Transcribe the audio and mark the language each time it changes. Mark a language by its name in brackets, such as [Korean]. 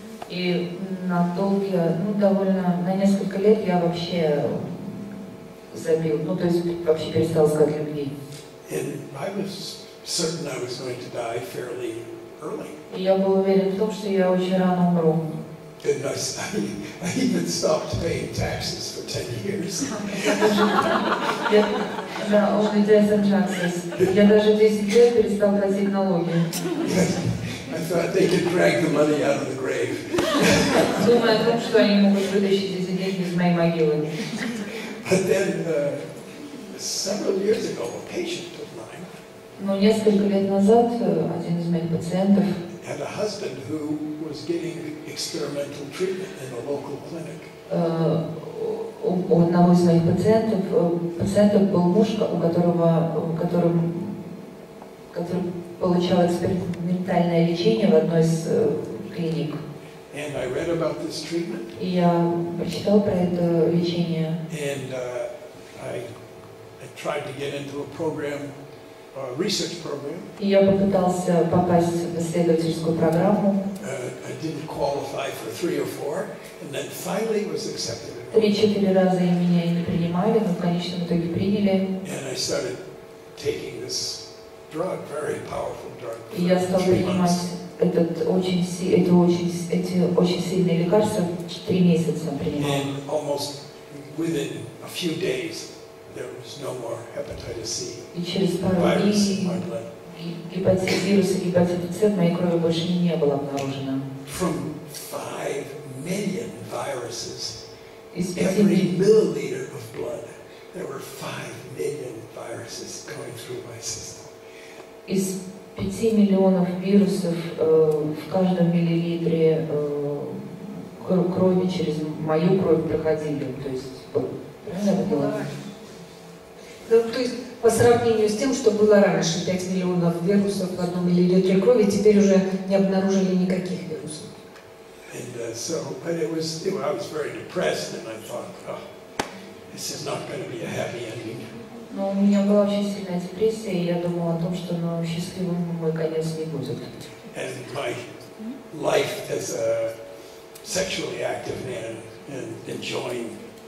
[Russian] И на долгие, ну, довольно, на несколько лет я вообще забил, ну, то есть вообще перестал искать любви. [English] And I was certain I was going to die fairly early. [Russian] И я был уверен в том, что я очень рано умру. [English] And I even stopped paying taxes for 10 years. [Russian] Да, [English] only 10 taxes. [Russian] Я даже 10 лет перестал платить налоги. [English] I thought they could drag the money out of the grave. [Russian] Думаю о том, что они могут вытащить эти деньги из моей могилы. [English] But then, several years ago, a patient of mine. [Russian] Но несколько лет назад один из моих пациентов. [English] Had a husband who was getting experimental treatment in a local clinic. [Russian] У одного из моих пациентов был муж, который получал экспериментальное лечение в одной из клиник. [English] And I read about this treatment. [Russian] И я прочитал про это лечение. [English] And I tried to get into a program. Research program. [Russian] Я попытался попасть в исследовательскую программу. [English] I didn't qualify for 3 or 4, and then finally was accepted. [Russian] 3-4 раза меня не принимали, но в конечном итоге приняли. [English] And I started taking this drug, very powerful drug. [Russian] И я стал принимать эти очень сильные лекарства 3 месяца принимал. [English] And almost within a few days. There was no more hepatitis C. [Russian] И через пару дней гепатит С в моей крови больше не было обнаружено. [English] From 5 million viruses, every milliliter of blood, there were 5 million viruses going through my system. [Russian] Из 5 миллионов вирусов в каждом миллилитре крови через мою кровь проходили, то есть правильно было. То есть по сравнению с тем, что было раньше, 5 миллионов вирусов в одном миллилитре крови, теперь уже не обнаружили никаких вирусов. [English] And so, but I was very depressed, and I thought, oh, this is not going to be a happy ending. [Russian] Но у меня была очень сильная депрессия, и я думала о том, что счастливым мой конец не будет. [English] And my life as a sexually active man and enjoying.